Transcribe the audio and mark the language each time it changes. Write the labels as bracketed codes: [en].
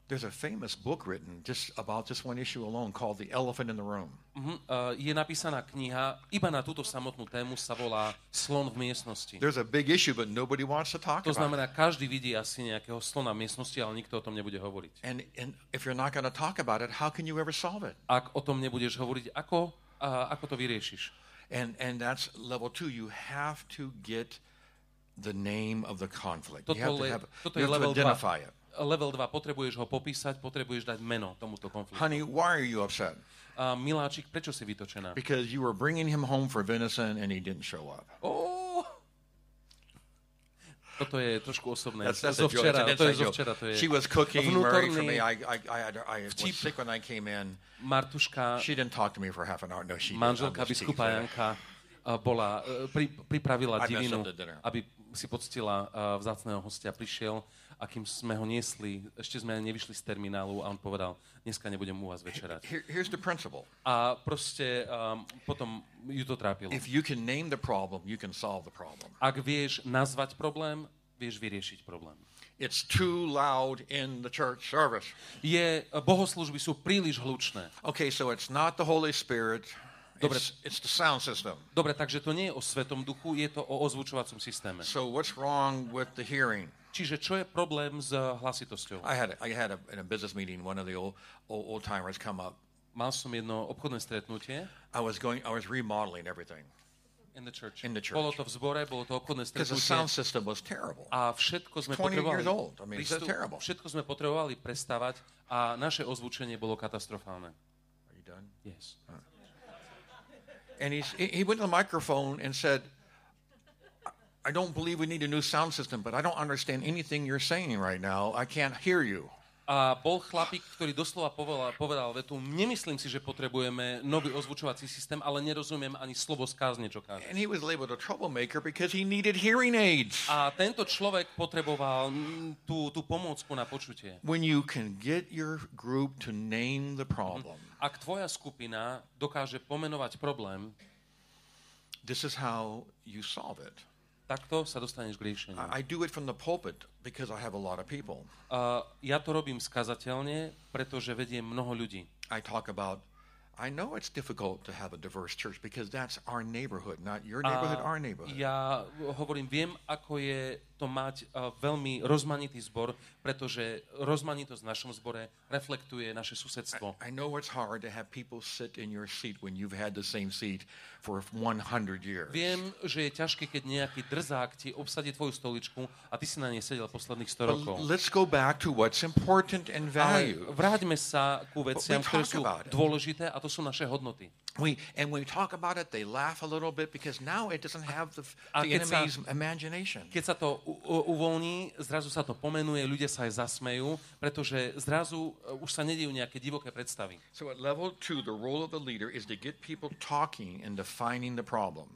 [en] There's a famous book written just about this one issue alone called The Elephant in the Room. [sk] Je napísaná kniha iba na túto samotnú tému, sa volá Slon v miestnosti. [en] There's a big issue, but nobody wants to talk about it. [sk] To znamená, každý vidí asi nejakého slona v miestnosti, ale nikto o tom nebude hovoriť. [en] And if you're not going to talk about it, how can you ever solve it? [sk] Ak o tom nebudeš hovoriť, ako to vyriešiš? [en] And that's level 2, you have to get the name of the conflict. You have to identify it. [sk] Level 2, potrebuješ ho popísať, potrebuješ dať meno tomuto konfliktu. [en] Honey, why are you upset? [sk] Miláčik, prečo si vytočená? [en] Because you were bringing him home for venison and he didn't show up. Oh! [sk] Toto je trošku osobné. To je zo včera. [en] She was cooking, Mary, for me. I was sick when I came in. [sk] Martuška. [en] She didn't talk to me for half an hour. No, she [sk] manželka biskupa Janka bola pripravila divinu, aby si poctila vzácného hostia. Prišiel, a kým sme ho niesli, ešte sme nevyšli z terminálu a on povedal, dneska nebudem u vás večerať. [en] Here's the principle. [sk] A proste potom ju to trápilo. [en] If you can name the problem, you can solve the problem. [sk] Ak vieš nazvať problém, vieš vyriešiť problém. [en] It's too loud in the church service. [sk] Je, bohoslužby sú príliš hlučné. [en] Okay, so it's not the Holy Spirit. [sk] Dobre, [en] it's the sound system. [sk] Dobre, takže to nie je o Svätom Duchu, je to o ozvučovacom systéme. [en] So what's wrong with the hearing? [sk] Čiže čo je problém s hlasitosťou? [en] I had a business meeting, one of the old timers come up. [sk] Mal som jedno obchodné stretnutie. [en] I was remodeling everything. In the church. [sk] Bolo to v zbore, bolo to obchodné stretnutie. [en] Because the sound system was terrible. [sk] A všetko sme potrebovali. [en] 20 years old. I mean, it's terrible. [sk] Všetko sme potrebovali prestavať a naše ozvučenie bolo katastrofálne. [en] Are you done? Yes. And he went to the microphone and said, I don't believe we need a new sound system, but I don't understand anything you're saying right now. I can't hear you. [sk] A bol chlapík, ktorý doslova povedal vetu, nemyslím si, že potrebujeme nový ozvučovací systém, ale nerozumiem ani slovo z kázne, čo kážeš. [en] And he was labeled a troublemaker because he needed hearing aids. [sk] A tento človek potreboval tú pomôcku na počutie. [en] When you can get your group to name the problem. [sk] Ak tvoja skupina dokáže pomenovať problém, [en] this is how you solve it. [sk] Takto sa dostaneš k riešeniu. [en] I do it from the pulpit because I have a lot of people. [sk] Ja to robím skazateľne, pretože vediem mnoho ľudí. [en] I know it's difficult to have a diverse church because that's our neighborhood, not your neighborhood, our neighborhood. [sk] Ja hovorím, viem, ako je to mať veľmi rozmanitý zbor, pretože rozmanitosť v našom zbore reflektuje naše susedstvo. [en] I know it's hard to have people sit in your seat when you've had the same seat for 100 years. [sk] Viem, že je ťažké, keď nejaký drzák ti obsadí tvoju stoličku a ty si na nej sedel posledných 100 rokov. [en] Let's go back to what's important and valued. [sk] Vráťme sa ku veciam, ktoré sú dôležité, a to sú naše hodnoty. [en] And when we talk about it, they laugh a little bit because now it doesn't have the enemy's imagination. [sk] Keď sa to uvoľní, zrazu sa to pomenuje, ľudia sa aj zasmejú, pretože zrazu už sa nedejú nejaké divoké predstavy. [en] So at level 2, the role of the leader is to get people talking and defining the problem.